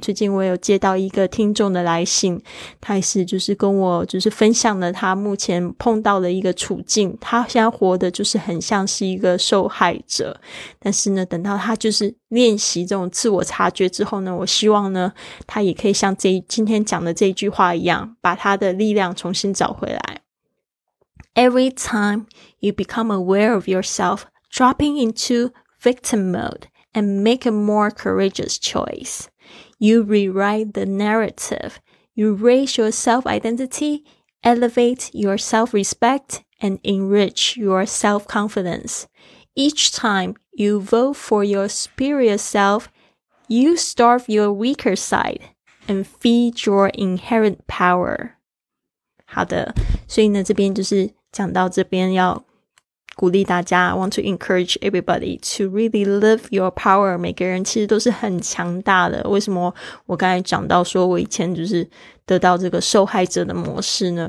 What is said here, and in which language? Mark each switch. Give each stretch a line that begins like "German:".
Chinese: 最近我有接到一个听众的来信，他也是就是跟我就是分享了他目前碰到的一个处境，他现在活的就是很像是一个受害者，但是呢等到他就是练习这种自我察觉之后呢，我希望呢他也可以像这今天讲的这句话一样，把他的力量重新找回来。
English: Every time you become aware of yourself dropping into victim mode and make a more courageous choice, you rewrite the narrative, you raise your self-identity, elevate your self-respect, and enrich your self-confidence. Each time you vote for your superior self, you starve your weaker side and feed your inherent power.
Chinese: 好的，所以呢，这边就是讲到这边要鼓励大家，
English: I want to encourage everybody to really live your power，
Chinese: 每个人其实都是很强大的。为什么我刚才讲到说我以前就是得到这个受害者的模式呢？